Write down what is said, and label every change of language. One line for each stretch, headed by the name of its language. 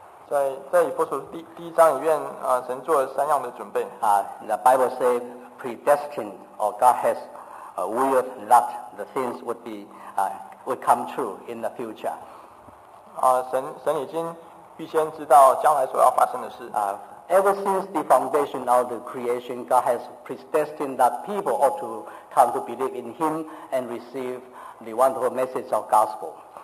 Chinese: 在以弗所第一章里面，神做了三样的准备。
English: The Bible says predestined, or God has willed that the things would be would come true in the future.
Chinese: 神已经预先知道将来所要发生的事。
English: Ever since the foundation of the creation, God has predestined that people ought to come to believe in Him and receive the wonderful message of gospel.